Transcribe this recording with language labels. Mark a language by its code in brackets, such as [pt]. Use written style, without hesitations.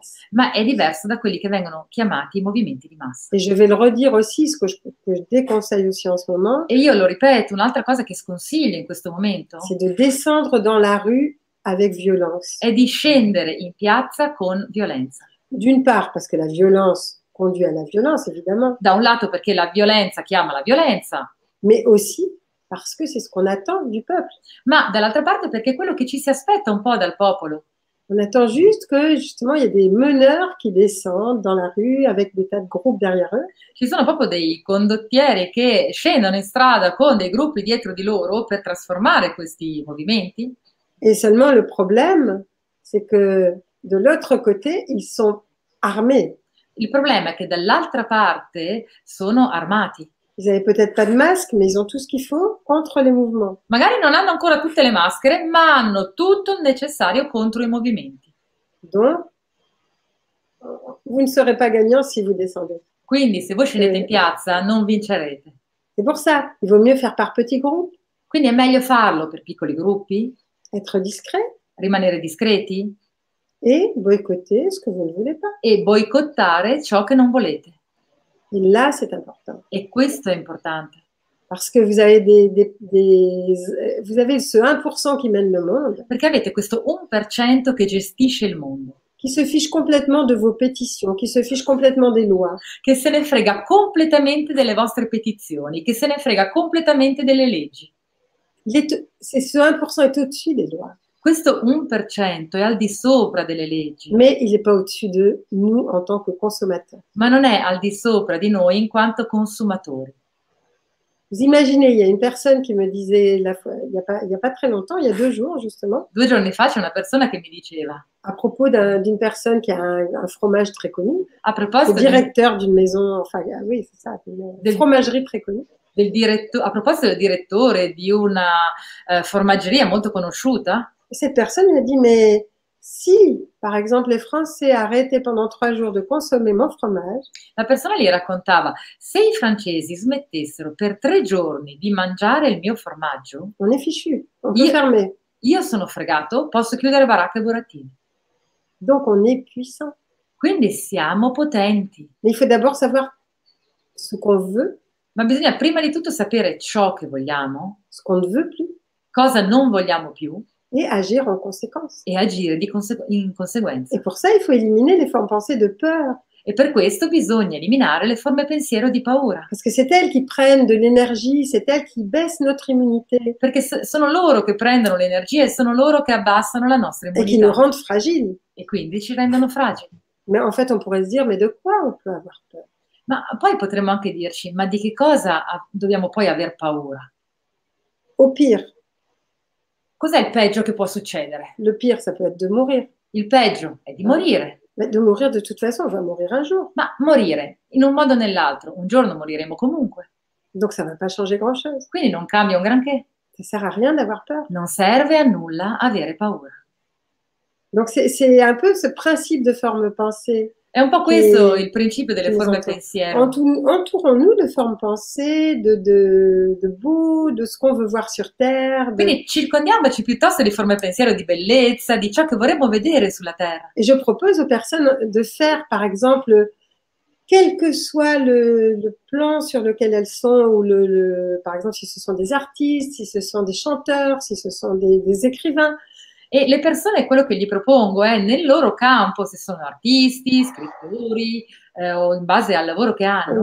[it] Ma è diverso da quelli che vengono chiamati movimenti di massa. E io lo ripeto, un'altra cosa che sconsiglio in questo momento è di [fr] descendere [it] nella [fr] rue avec violence. [it] È di scendere in piazza con violenza. [fr] D'une part parce que la violence conduit à la violence évidemment. [it] Da un lato perché la violenza chiama la violenza. [fr] Mais aussi parce que c'est ce qu'on attend du peuple. [it] Ma dall'altra parte perché è quello che ci si aspetta un po' dal popolo. [fr] On attend juste que justement il y a des meneurs qui descendent dans la rue avec des tas de groupes derrière eux. [it] Ci sono proprio dei condottieri che scendono in strada con dei gruppi dietro di loro per trasformare questi movimenti. [fr] Et seulement le problème, c'est que de l'autre côté, ils sont armés. [it] Il problema è che dall'altra parte sono armati. [fr] Ils n'avaient peut-être pas de masque, mais ils ont tout ce qu'il faut contre les mouvements. [it] Magari non hanno ancora tutte le maschere, ma hanno tutto il necessario contro i movimenti. [fr] Donc, vous ne serez pas gagnant si vous descendez. [it] Quindi, se voi scendete in piazza, non vincerete. [fr] C'est pour ça, il vaut mieux faire par petits groupes. [it] Quindi è meglio farlo per piccoli gruppi. [fr] Être discret, [it] rimanere discreti [fr] et boycotter ce que vous ne voulez pas. [it] E boicottare ciò che non volete. [fr] Et là, c'est important. [it] E questo è importante. [fr] Parce que vous avez vous avez ce 1% qui mène le monde. [it] Perché avete questo 1% che gestisce il mondo. [fr] Qui se fiche complètement de vos pétitions, qui se fiche complètement des lois. [it] Che se ne frega completamente delle vostre petizioni, che se ne frega completamente delle leggi. [fr] Ce 1% est au-dessus des lois. [it] Questo 1% è al di sopra delle leggi. [fr] Mais il est pas au-dessus de nous en tant que consommateurs. [it] Ma non è al di sopra di noi in quanto consumatori. [fr] Vous imaginez, il y a une personne qui me disait il y a pas très longtemps, il y a deux jours justement. [it] Due giorni fa c'è una persona che mi diceva. [fr] À propos d'une personne qui a un fromage très connu. [it] A proposito. [fr] Directeur d'une maison, enfin oui c'est ça, une fromagerie très connue. [it] Del a proposito del direttore di una formaggeria molto conosciuta. [fr] Cette personne [it] mi ha detto: ma se, [fr] par exemple, les Français arrêtaient pendant 3 jours de consommer mon fromage. [it] La persona gli raccontava: se i francesi smettessero per 3 giorni di mangiare il mio formaggio. [fr] On est fichu, on peut fermer. [it] Io sono fregato, posso chiudere baracca e burattini. [fr] Donc on est puissant. [it] Quindi siamo potenti. [fr] Mais il faut d'abord savoir ce qu'on veut. [it] Ma bisogna prima di tutto sapere ciò che vogliamo, [fr] ce qu'on ne veut plus, [it] cosa non vogliamo più, [fr] et agir en conséquence. [it] E agire in conseguenza. [fr] Et pour ça, il faut éliminer les formes pensées de peur. [it] E per questo bisogna eliminare le forme pensiero di paura. [fr] Parce que c'est elles qui prennent de l'énergie, c'est elles qui baissent notre immunité. [it] Perché sono loro che prendono l'energia e sono loro che abbassano la nostra immunità. [fr] Et qui nous rendent fragiles. [it] E quindi ci rendono fragili. [fr] Mais en fait, on pourrait se dire, mais de quoi on peut avoir peur? [it] Ma poi potremmo anche dirci, ma di che cosa dobbiamo poi aver paura? [fr] Au pire. [it] Cos'è il peggio che può succedere? [fr] Le pire, ça peut être de mourir. [it] Il peggio è di morire. [fr] Mais de mourir de toute façon, on va mourir un jour. [it] Ma morire, in un modo o nell'altro, un giorno moriremo comunque. [fr] Donc ça va pas changer grand chose. [it] Quindi non cambia un granché. [fr] Ça sert à rien d'avoir peur. [it] Non serve a nulla avere paura. [fr] Donc c'est un peu ce principe de forme pensée. [it] È un po' questo il principio delle forme pensiero. [fr] Entourons-nous de formes pensées, de beau, de ce qu'on veut voir sur terre. [it] Quindi circondiamoci piuttosto di forme pensiero di bellezza, di ciò che vorremmo vedere sulla terra. [fr] Et je propose aux personnes de faire, par exemple, quel que soit le plan sur lequel elles sont, ou le par exemple, si ce sont des artistes, si ce sont des chanteurs, si ce sont des écrivains. [it] E le persone, quello che gli propongo è, nel loro campo, se sono artisti, scrittori, o in base al lavoro che hanno.